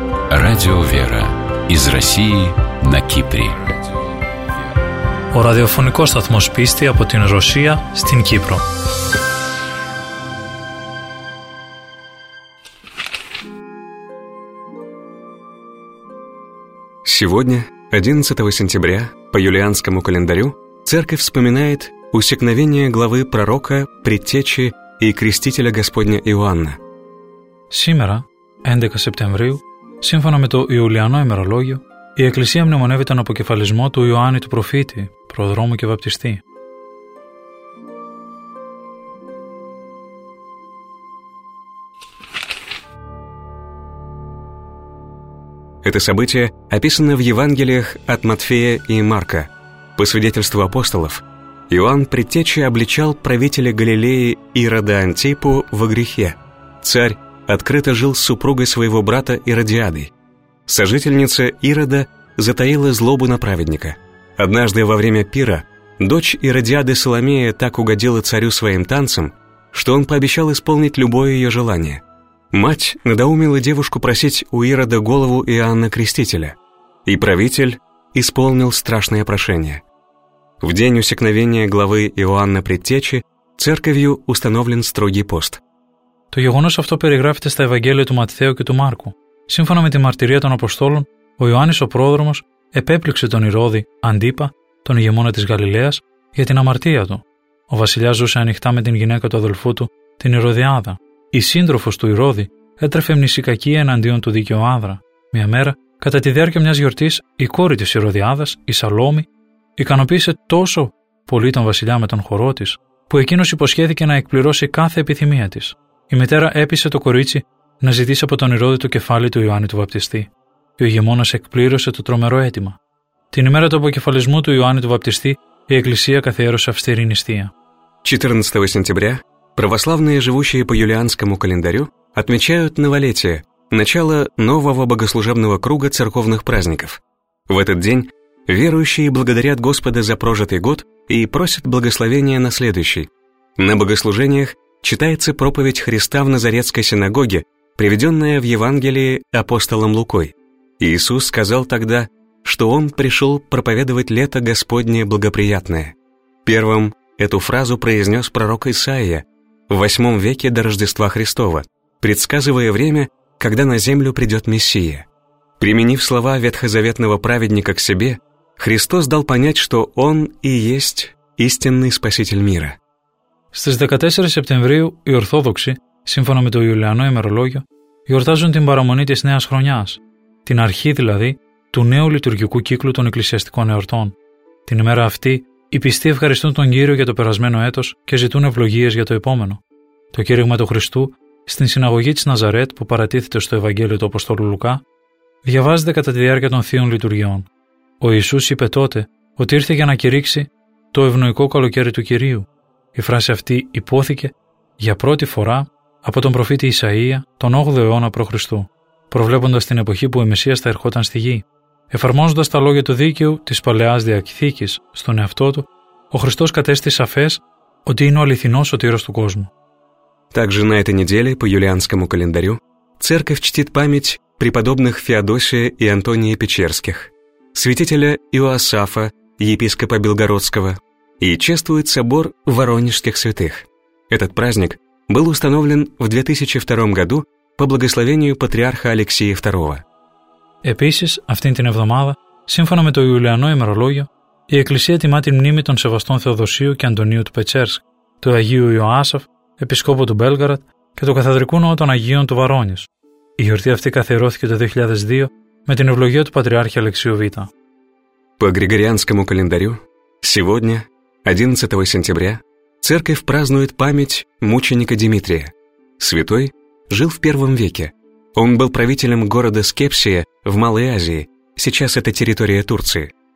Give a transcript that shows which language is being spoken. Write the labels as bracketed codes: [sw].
[ru] Радио «Вера» из России на Кипре. [el] Ο ραδιοφωνικός σταθμός πίστη από την Ρωσία στην Κύπρο. [ru] Сегодня, 11 сентября, по юлианскому календарю, Церковь вспоминает усекновение главы пророка, предтечи и крестителя Господня Иоанна. Сегодня, 11 сентября, [el] σύμφωνα με το Ιουλιανό ημερολόγιο, η Εκκλησία μνημονεύει τον αποκεφαλισμό του Ιωάννη του Προφήτη, προδρόμου και βαπτιστή. [ru] Это событие описано в Евангелиях от Матфея и Марка. По свидетельству апостолов, Иоанн Предтеча обличал правителя Галилеи Ирода Антипу во грехе. Царь открыто жил с супругой своего брата Иродиадой. Сожительница Ирода затаила злобу на праведника. Однажды во время пира дочь Иродиады Соломея так угодила царю своим танцем, что он пообещал исполнить любое ее желание. Мать надоумила девушку просить у Ирода голову Иоанна Крестителя, и правитель исполнил страшное прошение. В день усекновения главы Иоанна Предтечи церковью установлен строгий пост. [el] Το γεγονός αυτό περιγράφεται στα Ευαγγέλια του Ματθαίου και του Μάρκου. Σύμφωνα με τη μαρτυρία των Αποστόλων, ο Ιωάννης ο Πρόδρομος επέπληξε τον Ηρώδη Αντίπα, τον ηγεμόνα της Γαλιλαίας, για την αμαρτία του. Ο βασιλιάς ζούσε ανοιχτά με την γυναίκα του αδελφού του, την Ηρωδιάδα. Η σύντροφος του Ηρώδη έτρεφε μνησικακία εναντίον του δίκαιου άνδρα. Μια μέρα, κατά τη διάρκεια μιας γιορτής, η κόρη της Ηρωδιάδας, η Σαλόμη, ικανοποίησε τόσο πολύ τον βασιλιά με τον χορό της, που εκείνος υποσχέθηκε να εκπληρώσει κάθε επιθυμία της. Η μητέρα έπεισε το κορίτσι να ζητήσει από τον Ηρώδη το κεφάλι του Ιωάννη του Βαπτιστή. Και ο ηγεμόνας εκπλήρωσε το τρομερό αίτημα. Την ημέρα του αποκεφαλισμού του Ιωάννη του Βαπτιστή, η Εκκλησία καθιέρωσε αυστηρή νηστεία. [ru] 14 сентября православные, живущие по юлианскому календарю, отмечают новолетие, начало нового богослужебного круга церковных праздников. В этот день верующие благодарят Господа за прожитый год и просят благословения на следующий. На богослужениях читается проповедь Христа в Назаретской синагоге, приведенная в Евангелии апостолом Лукой. Иисус сказал тогда, что Он пришел проповедовать лето Господне благоприятное. Первым эту фразу произнес пророк Исаия в 8 веке до Рождества Христова, предсказывая время, когда на землю придет Мессия. Применив слова ветхозаветного праведника к себе, Христос дал понять, что Он и есть истинный Спаситель мира. [el] Στις 14 Σεπτεμβρίου οι Ορθόδοξοι, σύμφωνα με το Ιουλιανό ημερολόγιο, γιορτάζουν την παραμονή της Νέας Χρονιάς, την αρχή δηλαδή του νέου λειτουργικού κύκλου των εκκλησιαστικών εορτών. Την ημέρα αυτή, οι πιστοί ευχαριστούν τον Κύριο για το περασμένο έτος και ζητούν ευλογίες για το επόμενο. Το κήρυγμα του Χριστού στην συναγωγή της Ναζαρέτ που παρατίθεται στο Ευαγγέλιο του Αποστόλου Λουκά διαβάζεται κατά τη διάρκεια των θείων λειτουργιών. Ο Ιησούς είπε τότε ότι ήρθε για να κηρύξει το ευνοϊκό καλοκαίρι του Κυρίου. Η φράση αυτή υπόθηκε για πρώτη φορά από τον προφήτη Ισαΐα τον 8ο αιώνα π.Χ., προβλέποντας την εποχή που ο Μεσσίας θα ερχόταν στη γη. Εφαρμόζοντας τα λόγια του δίκαιου της Παλαιάς Διαθήκης στον εαυτό του, ο Χριστός κατέστη σαφές ότι είναι ο αληθινός σωτήρος του κόσμου. [ru] Также на этой неделе по юлианскому календарю церковь чтит память преподобных Феодосия и Антония Печерских, святителя Иоасафа, епископа Белгородского, и чествует собор Воронежских святых. Этот праздник был установлен в 2002 году по благословению патриарха Алексея II. [el] Επίσης, αυτήν την εβδομάδα, σύμφωνα με το Ιουλιανό ημερολόγιο, η Εκκλησία τιμά την μνήμη των Σεβαστών Θεοδοσίου και Αντωνίου του Πετσέρσκ, του Αγίου Ιωάσαφ, Επισκόπου του Μπέλγαρατ και του Καθεδρικού Ναού των Αγίων του Βαρόνης. Η γιορτή αυτή καθιερώθηκε το 2002 με την ευλογία του Πατριάρχη Αλεξίου Β. [ru] По Григорианскому календарю, сегодня, 11 сентября, Церковь празднует память мученика Димитрия. Святой жил в 1 веке. Он был правителем города Скепсия в Малой Азии, сейчас это территория Турции.